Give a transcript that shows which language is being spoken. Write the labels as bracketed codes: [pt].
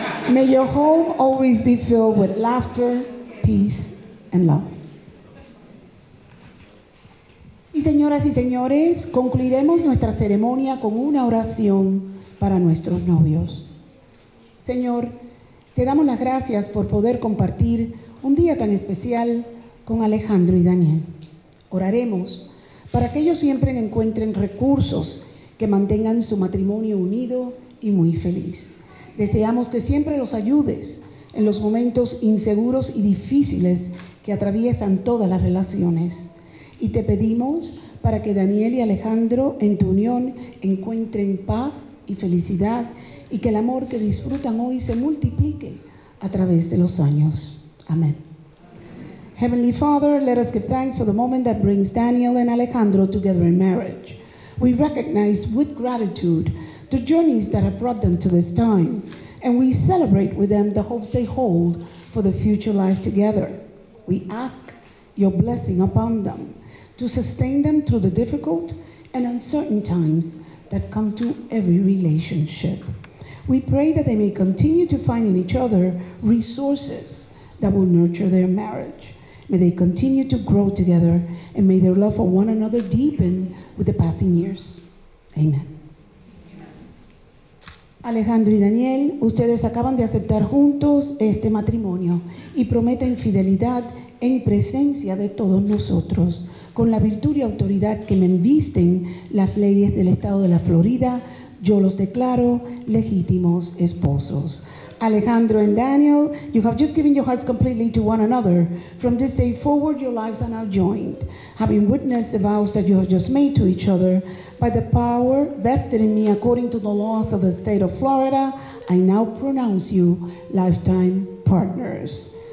[en] May your home always be filled with laughter, peace, and love. [es] Y señoras y señores, concluiremos nuestra ceremonia con una oración para nuestros novios. Señor, te damos las gracias por poder compartir un día tan especial con Alejandro y Daniel. Oraremos para que ellos siempre encuentren recursos que mantengan su matrimonio unido y muy feliz. Deseamos que siempre los ayudes en los momentos inseguros y difíciles que atraviesan todas las relaciones. Y te pedimos para que Daniel y Alejandro, en tu unión, encuentren paz y felicidad y que el amor que disfrutan hoy se multiplique a través de los años. Amén. [en] Heavenly Father, let us give thanks for the moment that brings Daniel and Alejandro together in marriage. We recognize with gratitude the journeys that have brought them to this time, and we celebrate with them the hopes they hold for the future life together. We ask your blessing upon them to sustain them through the difficult and uncertain times that come to every relationship. We pray that they may continue to find in each other resources that will nurture their marriage. May they continue to grow together, and may their love for one another deepen with the passing years. Amen. Alejandro y Daniel, ustedes acaban de aceptar juntos este matrimonio y prometen fidelidad en presencia de todos nosotros, con la virtud y autoridad que me envisten las leyes del estado de la Florida, yo los declaro legítimos esposos. Alejandro and Daniel, you have just given your hearts completely to one another. From this day forward, your lives are now joined. Having witnessed the vows that you have just made to each other, by the power vested in me according to the laws of the state of Florida, I now pronounce you lifetime partners.